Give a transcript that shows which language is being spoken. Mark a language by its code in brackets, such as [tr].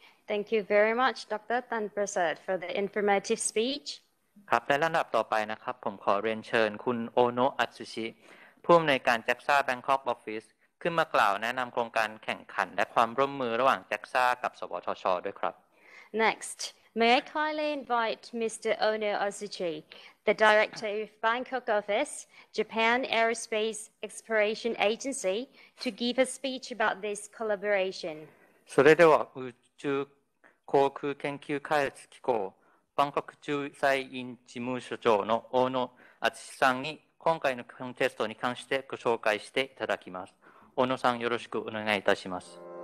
[en] Thank you very much Dr. Tan Prasad for the informative speech [th] ครับและลำดับต่อไปนะครับผมขอเรียนเชิญคุณโอโนะอัตสุชิผู้อำนวยการ JAXA Bangkok Officeขึ้นมากล่าวแนะนำโครงการแข่งขันและความร่วมมือระหว่าง JAXA กับสวทช. ด้วยครับ [en] Next, may I kindly invite Mr. Ono Azuchi, the Director of Bangkok Office, Japan Aerospace Exploration Agency, to give a speech about this collaboration. [ja] それでは宇宙航空研究開発機構バンコク駐在員事務所長の大野敦さんに今回のコンテストに関してご紹介していただきます。小野さん、よろしくお願いいたします。